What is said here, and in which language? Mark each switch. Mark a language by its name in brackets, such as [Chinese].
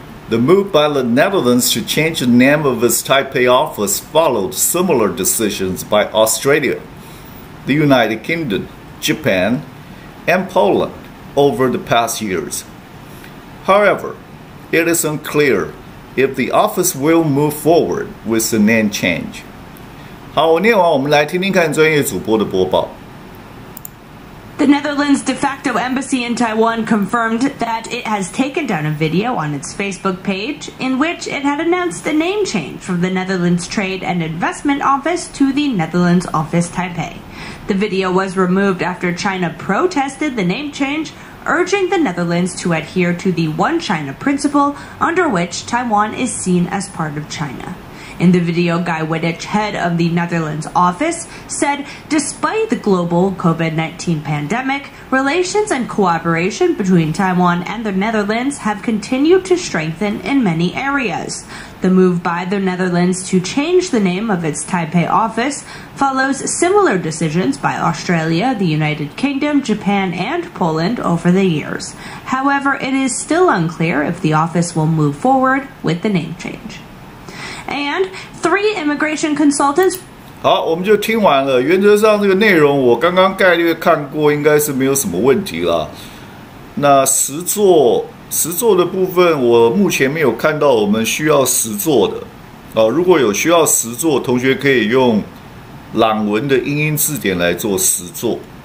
[English] The move by the Netherlands to change the name of its Taipei office followed similar decisions by Australia, the United Kingdom, Japan, and Poland. Over the past years. However, it is unclear if the office will move forward with the name change. [Chinese] 好，我念完，我们来听听看专业主播的播报。 [English] The Netherlands' de facto embassy in Taiwan confirmed that it has taken down a video on its Facebook page in which it had announced a name change from the Netherlands Trade and Investment Office to the Netherlands Office Taipei. The video was removed after China protested the name change, urging the Netherlands to adhere to the One China principle, under which Taiwan is seen as part of China. In the video, Guy Widdish, head of the Netherlands office, said, despite the global COVID-19 pandemic, relations and cooperation between Taiwan and the Netherlands have continued to strengthen in many areas. The move by the Netherlands to change the name of its Taipei office follows similar decisions by Australia, the United Kingdom, Japan, and Poland over the years. However, it is still unclear if the office will move forward with the name change. And three immigration consultants. [Chinese] 好，我们就听完了。原则上，这个内容我刚刚概略看过，应该是没有什么问题了。那实作的部分，我目前没有看到我们需要实作的。如果有需要实作，同学可以用朗文的英音字典来做实作。